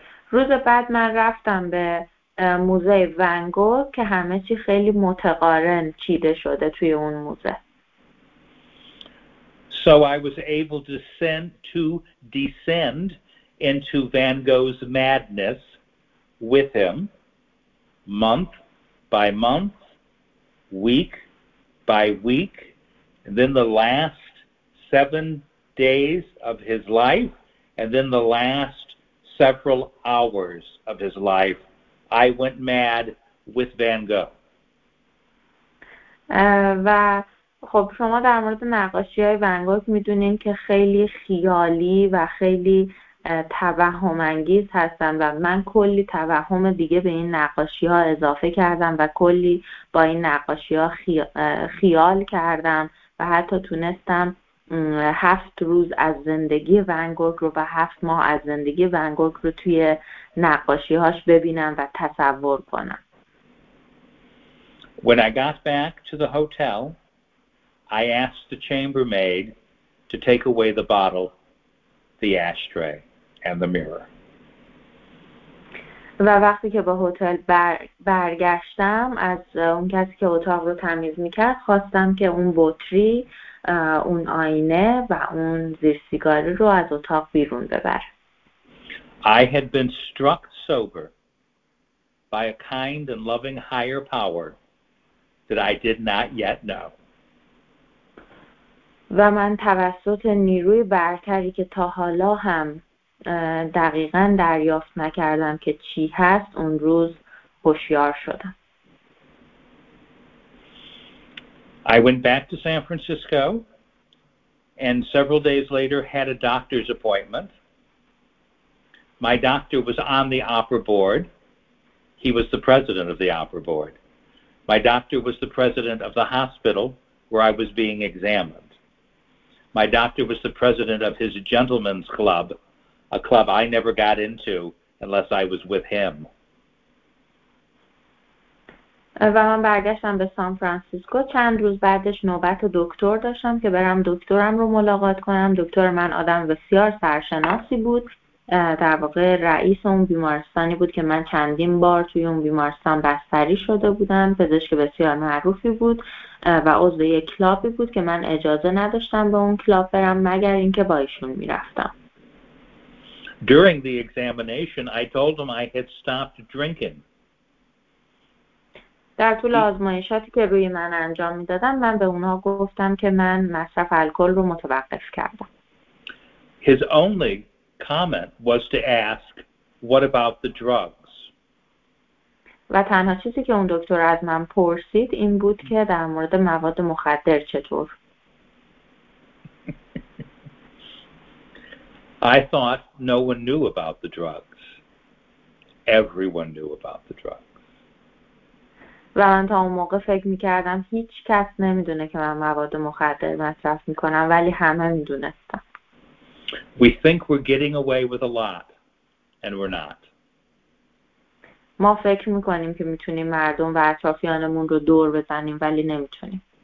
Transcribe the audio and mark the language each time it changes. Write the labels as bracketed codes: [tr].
[fa] روز بعد من رفتم به موزه ون گو که همه چی خیلی متقارن چیده شده توی اون موزه. [en] So I was able to descend into Van Gogh's madness with him month by month, week by week, and then the last 7 days of his life, and then the last several hours of his life, I went mad with Van Gogh. [fa] و خب شما در مورد نقاشی‌های ون گوگ می‌دونین که خیلی خیالی و خیلی توهم‌انگیز هستن و من کلی توهم دیگه به این نقاشی‌ها اضافه کردم و کلی با این نقاشی‌ها خیال کردم و حتی تونستم 7 روز از زندگی ون گوگ رو و 7 ماه از زندگی ون گوگ رو توی نقاشی‌هاش ببینم و تصور کنم. [en] When I got back to the hotel, I asked the chambermaid to take away the bottle, the ashtray and the mirror. [fa] و وقتی که به هتل برگشتم از اون کسی که اتاق رو تمیز می‌کرد خواستم که اون بطری، اون آینه و اون زیر سیگاری رو از اتاق بیرون ببره. [en] I had been struck sober by a kind and loving higher power that I did not yet know. [fa] و من توسط نیروی برتری که تا حالا هم دقیقاً دریافت نکردم که چی هست اون روز هوشیار شدم. [en] I went back to San Francisco and several days later had a doctor's appointment. My doctor was on the opera board. He was the president of the opera board. My doctor was the president of the hospital where I was being examined. My doctor was the president of his gentleman's club, a club I never got into unless I was with him. [fa] و من برگشتم به سان فرانسیسکو. چند روز بعدش نوبت دکتر داشتم که برم دکترم رو ملاقات کنم. دکتر من آدم بسیار سرشناسی بود. در واقع رئیس اون بیمارستانی بود که من چندین بار توی اون بیمارستان بستری شده بودم. پزشک بسیار معروفی بود و عضو یک کلابی بود که من اجازه نداشتم به اون کلاب برم مگر اینکه با ایشون می‌رفتم. [en] During the examination I told him I had stopped drinking. [fa] در طول آزمایشاتی که روی من انجام میدادن من به اونا گفتم که من مصرف الکل رو متوقف کردم. [en] His only comment was to ask, what about the drugs? [fa] و تنها چیزی که اون دکتر از من پرسید این بود که در مورد مواد مخدر چطور؟ [en] I thought no one knew about the drugs. Everyone knew about the drugs. [fa] و من تا اون موقع فکر میکردم هیچ کس نمیدونه که من مواد مخدر مصرف میکنم ولی همه میدونستم. [en] We think we're getting away with a lot and we're not. [fa] ما فکر میکنیم که میتونیم مردم و اطرافیانمون رو دور بزنیم ولی نمیتونیم.